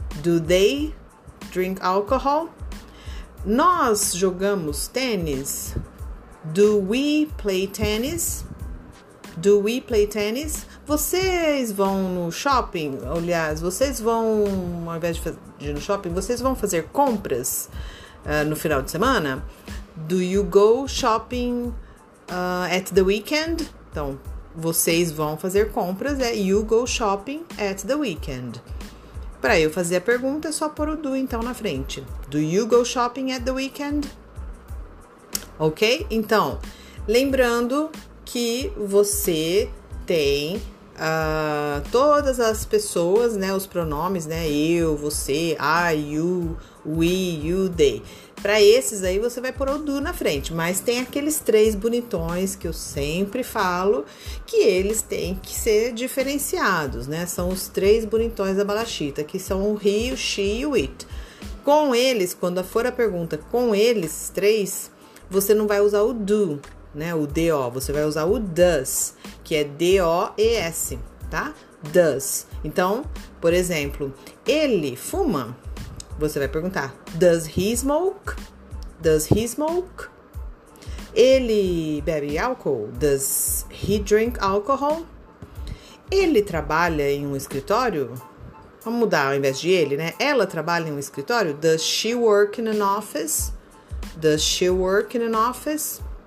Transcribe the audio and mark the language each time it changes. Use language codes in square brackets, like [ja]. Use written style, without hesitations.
[en] Do they drink alcohol? [pt] Nós jogamos tênis? [en] Do we play tennis? Do we play tennis? [pt] Vocês vão no shopping? Aliás, vocês vão, ao invés de ir no shopping, vocês vão fazer compras no final de semana? [en] Do you go shopping at the weekend? [pt] Então, vocês vão fazer compras, é [en] you go shopping at the weekend. [pt] Para eu fazer a pergunta, é só pôr o do então na frente. [en] Do you go shopping at the weekend? Ok? [pt] Então, lembrando que você tem todas as pessoas, né? Os pronomes, né? Eu, você, [en] I, you, we, you, they. [pt] Para esses aí, você vai pôr o do na frente. Mas tem aqueles três bonitões que eu sempre falo que eles têm que ser diferenciados, né? São os três bonitões da balachita, que são o he, o she e o it. Com eles, quando for a pergunta com eles três, você não vai usar o do, né? O do, você vai usar o does, que é D-O-E-S, tá? Does. Então, por exemplo, ele fuma? Você vai perguntar, [en] does he smoke? Does he smoke? [pt] Ele bebe álcool? [en] Does he drink alcohol? [pt] Ele trabalha em um escritório? Vamos mudar ao invés de ele, né? Ela trabalha em um escritório? [en] Does she work in an office? Does she work in an office?